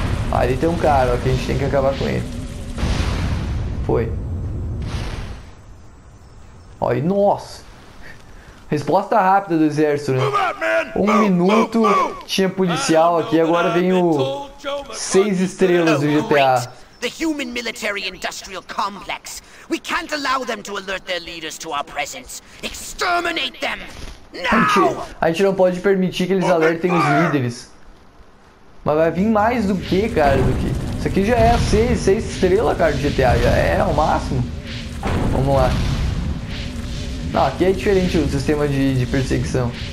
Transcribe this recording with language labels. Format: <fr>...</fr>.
<pt>Ali tem um cara, ó, que a gente tem que acabar com ele. Foi. Ó, e nossa. Resposta rápida do exército, né? Um minuto, tinha policial aqui, agora vem o... 6 estrelas do GTA.</pt> <en>The human military industrial complex. We can't allow them to alert their leaders to our presence. Exterminate them!</en> <pt>A gente não pode permitir que eles alertem os líderes. Mas vai vir mais do que, cara, do que... Isso aqui já é a 6 estrela, cara, de GTA. Já é o máximo. Vamos lá. Não, aqui é diferente o sistema de perseguição.</pt>